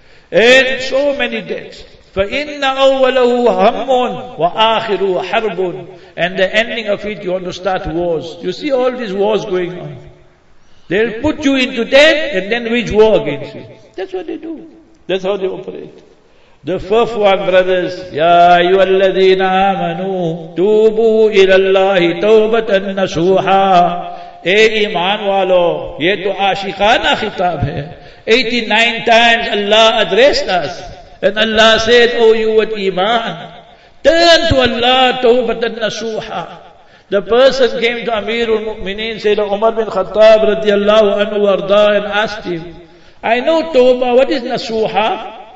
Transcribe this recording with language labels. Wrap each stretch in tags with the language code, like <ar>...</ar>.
<en>And so many debts.</en> <ar>فَإِنَّ أَوَّلَهُ هَمُّونَ وَآخِرُ حَرْبُونَ.</ar> <en>And the ending of it, you want to start wars. You see all these wars going on. They'll put you into debt and then wage war against you. That's what they do. That's how they operate. The fourth one, brothers,</en> <ar>يَا أَيُّهَا الَّذِينَ آمَنُوا تُوبُوا إِلَى اللَّهِ تَوْبَةً نَصُوحًا.</ar> <ur>اے ایمان والو, یہ تو عاشقانہ خطاب ہے.</ur> <en>89 times Allah addressed us. And Allah said, oh you with iman, turn to Allah, tawbatan nasuha. The person came to Amirul Mu'mineen, said Umar bin Khattab radiallahu anhu arda, and asked him, I know tawbah, what is nasuha?</en>